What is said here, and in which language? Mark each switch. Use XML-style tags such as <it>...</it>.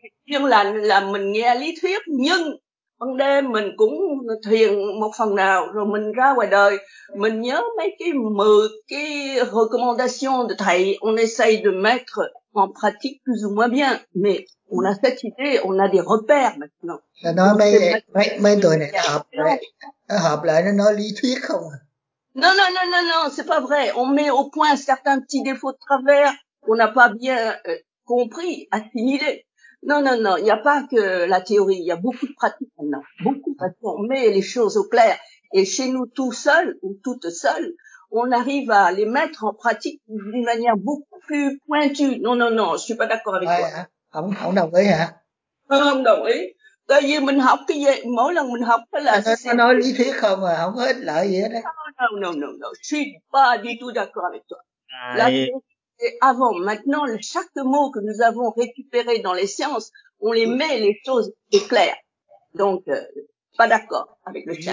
<vi>Duyên lành là mình nghe lý thuyết, nhưng ban đêm mình cũng thiền một phần nào, rồi mình ra ngoài đời, mình nhớ mấy cái 10 cái</vi> <fr>recommandation de thầy, on essaye de mettre en pratique plus ou moins bien, mais on a cette idée, on a des repères maintenant.</fr> <vi>Ça nói mấy, mấy, mấy tuổi này hợp lại nó nói lý thuyết không à?</vi> <fr>Non, c'est pas vrai. On met au point certains petits défauts de travers qu'on n'a pas bien compris, assimilés. Non, il n'y a pas que la théorie, il y a beaucoup de pratiques maintenant. Beaucoup, parce qu'on met les choses au clair. Et chez nous, tout seul ou toutes seules, on arrive à les mettre en pratique d'une manière beaucoup plus pointue. Non, je suis pas d'accord avec toi.</fr> <vi>Không đồng ý hả? Không đồng ý. Tại vì mình học cái gì, mỗi lần mình học là... Nó nói lý thuyết không rồi, không có ích lợi gì hết đấy.</vi> <fr>No. Je suis pas du tout d'accord avec toi. Là, avant, maintenant, chaque mot que nous avons récupéré dans les sciences, on les met, les choses sont claires. Donc, pas d'accord avec le chat.</fr>